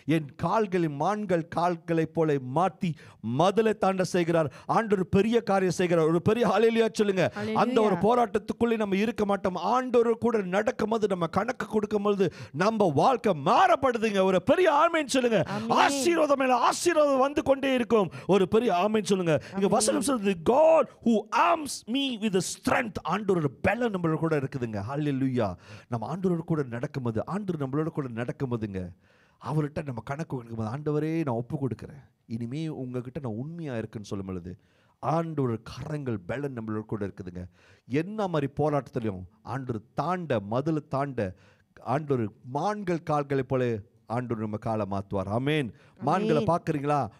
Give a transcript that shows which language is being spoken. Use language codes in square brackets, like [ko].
[ta] என் கால்களை மான்கள் கால்களை போல மாற்றி மதிலை தாண்ட செய்கிறார். ஆண்டவர் பெரிய காரியம் செய்கிறார். ஒரு பெரிய ஹல்லேலூயா சொல்லுங்க. அந்த ஒரு போராட்டத்துக்குள்ளே நம்ம இருக்க மாட்டோம். ஆண்டவர் கூட நடக்கும்போது நம்ம கணக்கு கொடுக்கும்போது நம்ம வாழ்க்கை மாறப்படுதுங்க. ஒரு பெரிய ஆமென் சொல்லுங்க. ஆசீர்வாதம் மேல ஆசீர்வாதம் வந்து கொண்டே இருக்கும். ஒரு பெரிய ஆமென் சொல்லுங்க. இங்க வசனம் சொல்றது, [en] God who arms me with a strength. [ta] ஆண்டவர் பெல நம்மளோட கூட இருக்குதுங்க. ஹல்லேலூயா. நம்ம ஆண்டவர் கூட நடக்கும்போது ஆண்டவர் நம்மளோட கூட நடக்கும்போதுங்க அவர்கிட்ட நம்ம கணக்கு கொடுக்கும்போது ஆண்டவரே நான் ஒப்பு கொடுக்கிறேன், இனிமே உங்ககிட்ட நான் உண்மையா இருக்குன்னு சொல்லும்போது ஆண்டவர் கரங்கள் பெல நம்மளோட கூட இருக்குதுங்க. என்ன மாதிரி போராட்டத்திலையும் ஆண்டவர் தாண்ட மதுல தாண்ட ஆண்டவர் மான்கள் கால்களை போல ஆண்டவர் நம்ம காலை மாற்றுவார். ஆமேன். மான்களை பார்க்குறீங்களா?